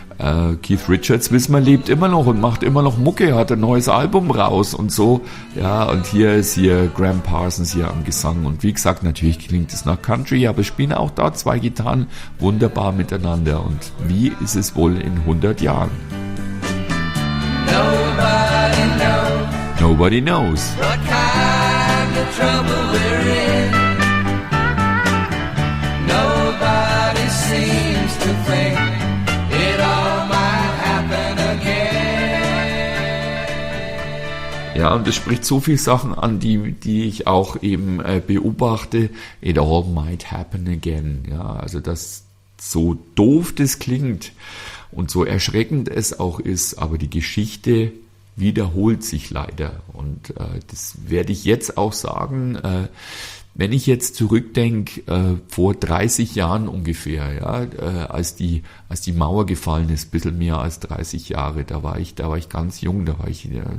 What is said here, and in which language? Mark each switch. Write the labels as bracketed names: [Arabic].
[German] Keith Richards, wissen wir, lebt immer noch und macht immer noch Mucke, hat ein neues Album raus und so. Ja, und hier ist hier Graham Parsons hier am Gesang. Und wie gesagt, natürlich klingt es nach Country, aber spielen auch da zwei Gitarren wunderbar miteinander. Und wie ist es wohl in 100 Jahren? [English] Nobody knows. Nobody knows. What kind of trouble we're in. [German] Ja, und es spricht so viele Sachen an, die ich auch eben beobachte. [English] It all might happen again. [German] Ja, also das so doof das klingt und so erschreckend es auch ist, aber die Geschichte wiederholt sich leider. Und das werde ich jetzt auch sagen, wenn ich jetzt zurückdenke, vor 30 Jahren ungefähr, ja, als die Mauer gefallen ist, ein bisschen mehr als 30 Jahre, da war ich ganz jung, da war ich